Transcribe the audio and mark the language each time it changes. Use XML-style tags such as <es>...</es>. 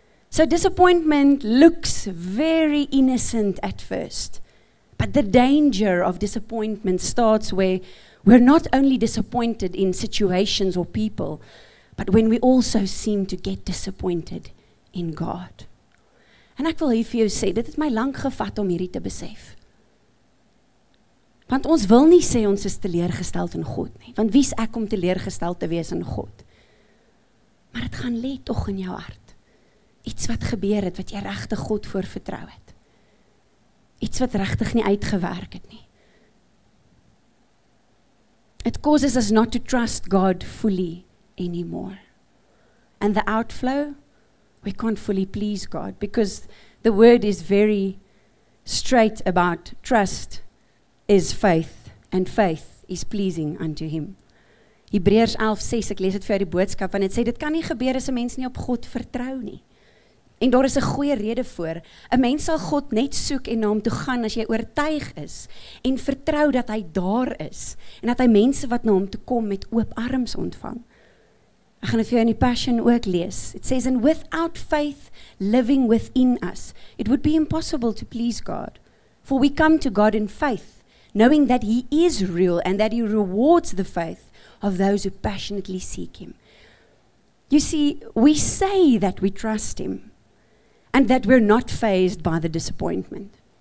<en>So disappointment looks very innocent at first, but the danger of disappointment starts where we're not only disappointed in situations or people, but when we also seem to get disappointed in God.</en> <af>And ek wil hier vir jou sê, dit het my lank gevat om hierdie te besef. Want ons wil nie sê ons is teleurgesteld in God nie, want wie is ek om teleurgesteld te wees in God? Maar het gaan lê toch in jou hart. Iets wat gebeur het, wat jy regtig God voor vertrou het. Iets wat regtig nie uitgewerk het nie.</af> <en>It causes us not to trust God fully anymore. And the outflow, we can't fully please God because the word is very straight about trust is faith and faith is pleasing unto him.</en> <af>Hebreërs 11:6, ek lees het vir jou die boodskap en het sê, dit kan nie gebeur as een mens nie op God vertrou nie. En daar is een goeie rede voor. Een mens sal God net soek en na hom toe gaan as jy oortuig is en vertrou dat hy daar is en dat hy mense wat na hom toe kom met oop arms ontvang. Ek gaan het vir jou in die Passion ook lees.</af> <en>It says, and without faith living within us, it would be impossible to please God. For we come to God in faith, knowing that he is real and that he rewards the faith of those who passionately seek him. You see, we say that we trust him and that we're not fazed by the disappointment.</en>